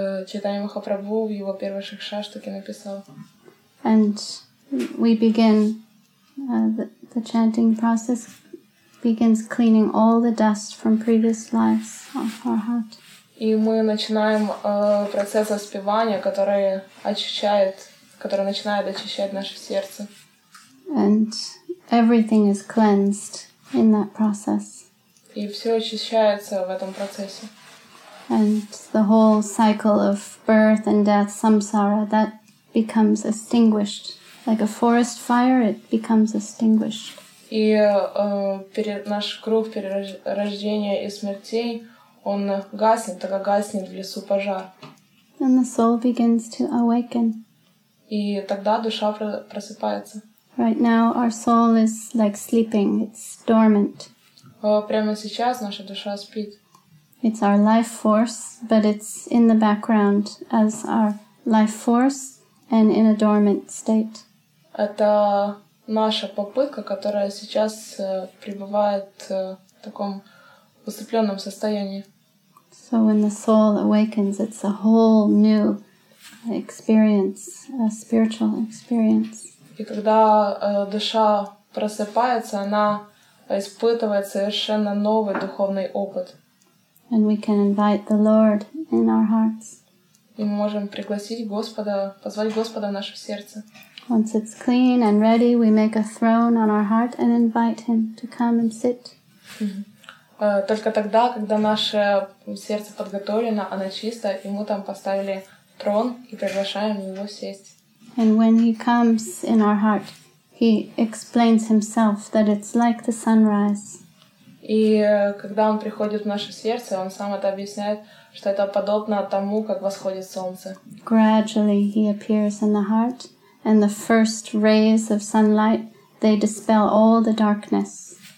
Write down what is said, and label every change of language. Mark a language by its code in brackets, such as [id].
[ru] Читание Махапрабху в его первой Шикшаштике написал. [en] And we begin, the chanting process begins cleaning all the dust from previous lives off our heart. [ru] И мы начинаем процесс воспевания, который начинает очищать наше сердце. [en] And everything is cleansed in that process. [ru] И все очищается в этом процессе. [en] And the whole cycle of birth and death, samsara, that becomes extinguished. Like a forest fire, it becomes extinguished. [ru] И наш круг перерождения и смертей, он гаснет, так как гаснет в лесу пожар. И [en] then the soul begins to awaken. [ru] И тогда душа просыпается. [en] Right now our soul is like sleeping, it's dormant. [ru] Прямо сейчас наша душа спит. [en] It's our life force, but it's in the background as our life force and in a dormant state. [ru] Это наша попытка, которая сейчас пребывает в таком усыплённом состоянии. [en] So when the soul awakens, it's a whole new experience, a spiritual experience. [ru] И когда душа просыпается, она испытывает совершенно новый духовный опыт. [en] And we can invite the Lord in our hearts. [ru] И мы можем пригласить Господа, позвать Господа в наше сердце. [en] Once it's clean and ready, we make a throne on our heart and invite Him to come and sit. [ru] Только тогда, когда наше сердце подготовлено, оно чисто, Ему там поставили трон и приглашаем Его сесть. [en] And when He comes in our heart, He explains Himself that it's like the sunrise. [ru] И когда Он приходит в наше сердце, Он сам это объясняет, что это подобно тому, как восходит солнце. [en] Gradually He appears in the heart, and the first rays of sunlight, they dispel all the darkness.